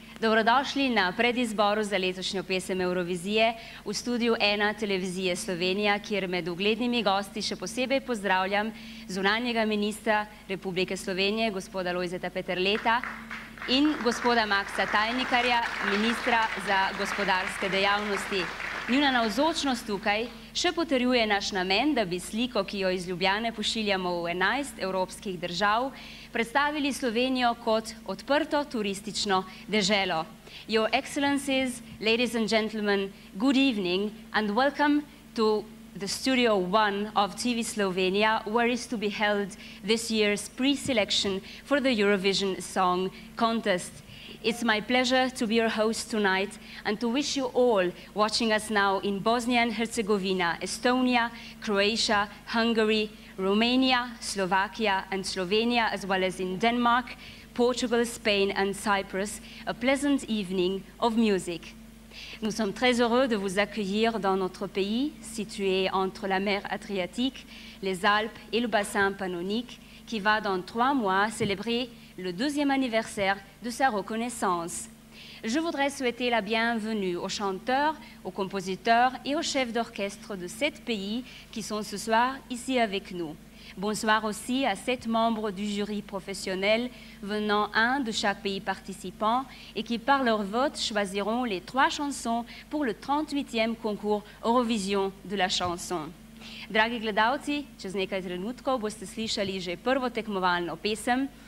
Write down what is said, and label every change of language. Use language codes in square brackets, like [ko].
[sl] Dobrodošli na predizboru za letošnjo pesem Eurovizije v studiu 1 Televizije Slovenija, kjer med uglednimi gosti še posebej pozdravljam zunanjega ministra Republike Slovenije, gospoda Lojzeta Peterleta in gospoda Maksa Tajnikarja, ministra za gospodarske dejavnosti. Njuna navzočnost tukaj še potrjuje naš namen, da bi sliko, ki jo iz Ljubljane pošiljamo v 11 evropskih držav, predstavili Slovenijo kot odprto turistično deželo. [en] Your excellencies, ladies and gentlemen, good evening and welcome to the studio 1 of TV Slovenia, where is to be held this year's pre-selection for the Eurovision Song Contest. It's my pleasure to be your host tonight and to wish you all watching us now in Bosnia and Herzegovina, Estonia, Croatia, Hungary, Romania, Slovakia and Slovenia, as well as in Denmark, Portugal, Spain and Cyprus, a pleasant evening of music. [fr] Nous sommes très heureux de vous accueillir dans notre pays, situé entre la mer Adriatique, les Alpes et le bassin Pannonique, qui va dans 3 mois célébrer le 2e anniversaire de sa reconnaissance. Je voudrais souhaiter la bienvenue aux chanteurs, aux compositeurs et aux chefs d'orchestre de 7 pays qui sont ce soir ici avec nous. Bonsoir aussi à 7 membres du jury professionnel venant un de chaque pays participant et qui par leur vote choisiront les 3 chansons pour le 38e concours Eurovision de la chanson. [sl] Dragi gledalci, čez nekaj trenutkov boste slišali že prvo tekmovalno pesem,